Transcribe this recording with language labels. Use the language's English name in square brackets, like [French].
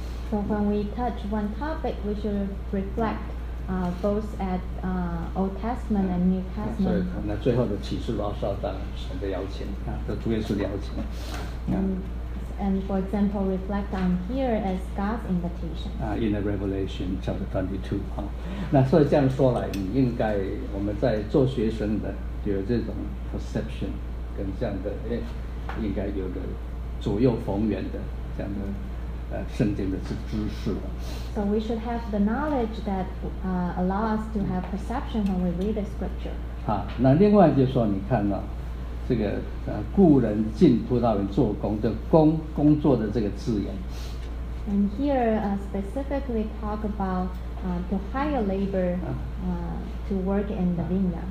[English] So when we touch one topic, we should reflect, both at Old Testament and New Testament. [Chinese] 所以可能最后的启示都要受到神的邀请，啊，主耶稣的邀请。 [English] And for example, reflect on here as God's invitation. In the Revelation chapter 22, [Chinese] 哈，那所以这样说来，你应该我们在做学生的有这种 perception 跟这样的，应该有个左右逢源的这样的。圣经的知识了。 [English] So we should have the knowledge that allow us to have perception when we read the scripture. [Chinese] 好，那另外就是说，你看呢，这个雇人进葡萄园做工的工作的这个字眼。 [English] And here specifically talk about to hire labor to work in the vineyard.